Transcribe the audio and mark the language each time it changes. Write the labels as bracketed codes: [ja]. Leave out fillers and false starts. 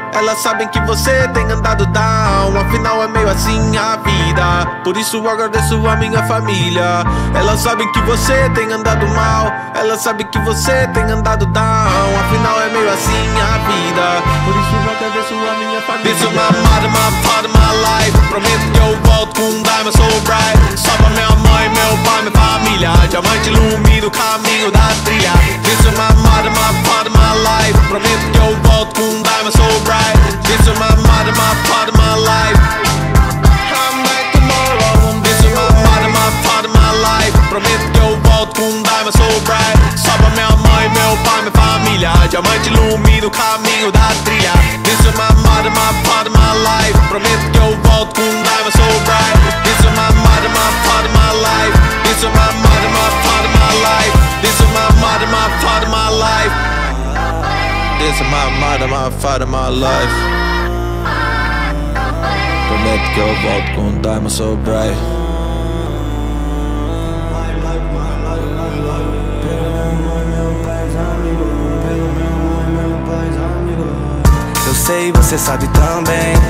[pt] Ela sabe que você tem andado down. Afinal é meio assim a vida. Por isso eu agradeço a minha família. Ela sabe que você tem andado mal. Ela sabe que você tem andado down. Afinal é meio assim a vida. Por isso eu agradeço a minha família. [en] This is my mother, my part of my life. [pt] Prometo que eu volto com um [en] diamond so bright. [pt] Só pra minha mãe, meu pai, minha família. Diamante ilumina o caminho da trilha. [en] This is my mother, my part of my life. [pt] Prometo que eu volto com um [en] diamond so bright. This is my mother, my part of my life. Come back tomorrow. This is my mother, my part of my life. [pt] Prometo que eu volto com um [en] diamond so bright. [pt] Só pra minha mãe, meu pai, minha família. Diamante ilumina o caminho da trilha. [en] This is my mother, my part of my life. [pt] Prometo que eu volto com um [en] diamond so bright. This is my mother, my part of my life. This is my mother, my part of my life. This is my mother, my part of my life. This is my mother, my father, my life. [pt] Prometo que eu volto com um [en] diamond so bright. [pt] Sei, você sabe também.